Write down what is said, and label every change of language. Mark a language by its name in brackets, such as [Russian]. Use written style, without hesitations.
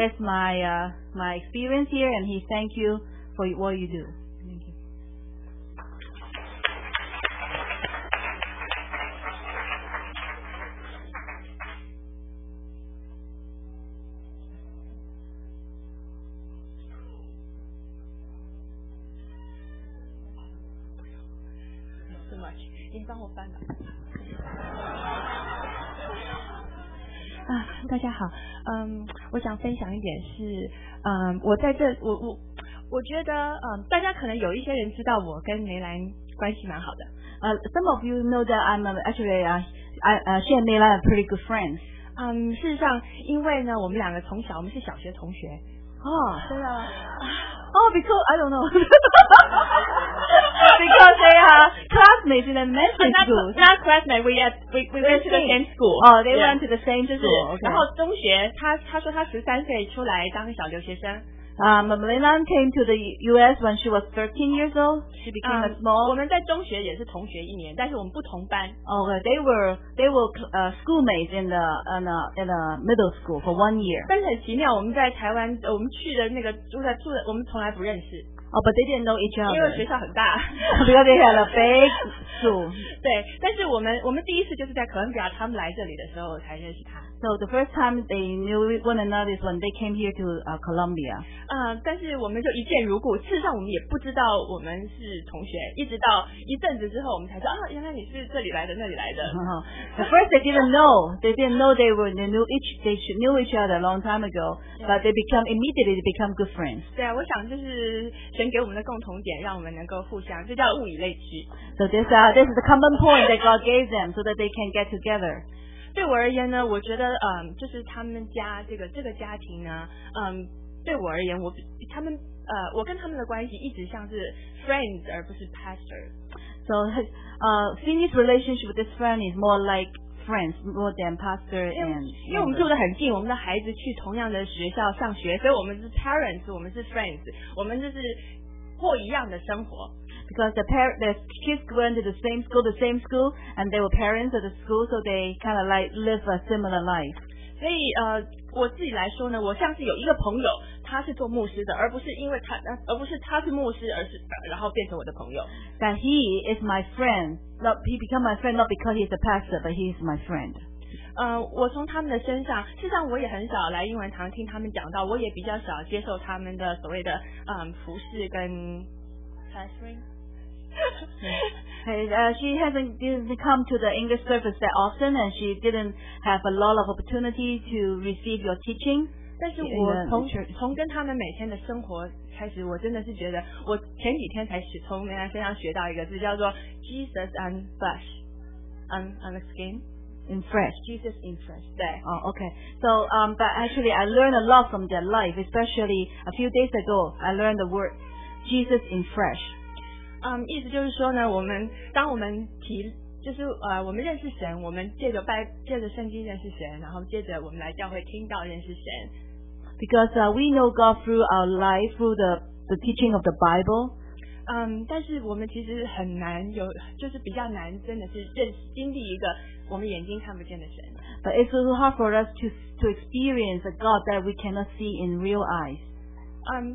[English] That's my experience here, and he thank you for what you do. Too much. [Chinese] 您帮我翻吧。大家好，我想分享一点是，我在这，我觉得，大家可能有一些人知道我跟梅兰关系蛮好的。 [English] Some of you know that she and Meilan are pretty good friends. [Chinese] 事实上，因为呢，我们两个从小，我们是小学同学。哦，真的。 [English] Oh, because I don't know. Because they are classmates in the middle school. Not classmates. We went to the same school. Oh, they went to the same school. Okay. [Chinese] 然后中学，他说他13岁出来当小留学生。 [English] Meilan came to the U.S. when she was 13 years old. She became a small. [Chinese] 我们在中学也是同学一年，但是我们不同班。 [English] Okay, they were schoolmates in the middle school for one year. [Chinese] 但是很奇妙，我们在台湾，我们去的那个住的，我们从来不认识。 [English] Oh, but they didn't know each other. [Chinese] 因为学校很大。 [English] Because they had a big school. [Chinese] 对，但是我们第一次就是在哥伦比亚他们来这里的时候才认识他。 [English] So the first time they knew one another is when they came here to Colombia. [Chinese] 但是我们就一见如故，事实上我们也不知道我们是同学，一直到一阵子之后我们才说，啊，原来你是这里来的那里来的。 [English] The first they didn't know, they knew each other a long time ago, but they immediately become good friends. [Chinese] 对啊，我想就是神给我们的共同点，让我们能够互相，这叫物以类聚。 [English] So this is the common point that God gave them so that they can get together. [Chinese] 对我而言呢，我觉得就是他们家这个家庭呢，对我而言，我跟他们的关系一直像是 friends 而不是 [English] pastor. So, Finney's relationship with this friend is more like friends, more than pastor and. [Chinese] 因为我们住得很近，我们的孩子去同样的学校上学，所以我们是 parents, 我们是 friends, 我们就是过一样的生活。 [English] Because the kids went to the same school, and they were parents at the school, so they kind of like live a similar life. [Chinese] 所以我自己来说呢，我像是有一个朋友，他是做牧师的，而不是因为他，而不是他是牧师，而是然后变成我的朋友。 [English] That he is my friend. He become my friend not because he's a pastor, but he is my friend. [Chinese] 我从他们的身上，事实上我也很少来英文堂听他们讲到，我也比较少接受他们的所谓的服事跟。 [English] She didn't come to the English service that often, and she didn't have a lot of opportunity to receive your teaching. [Chinese] 但是我从跟他们每天的生活开始，我真的是觉得，我前几天才从梅兰身上学到一个字，叫做 [English] Jesus and flesh, on the skin. In fresh. Jesus in fresh. [Chinese] 对。 [English] Oh, okay. So, but actually, I learned a lot from their life, especially a few days ago, I learned the word. Jesus in fresh. [Chinese] 意思就是说呢，我们当我们提，就是我们认识神，我们借着圣经认识神，然后借着我们来教会听到认识神。 [English] Because we know God through our life through the teaching of the Bible. [Chinese] 但是我们其实很难有，就是比较难，真的是认识经历一个我们眼睛看不见的神。 [English] But it's so hard for us to experience a God that we cannot see in real eyes.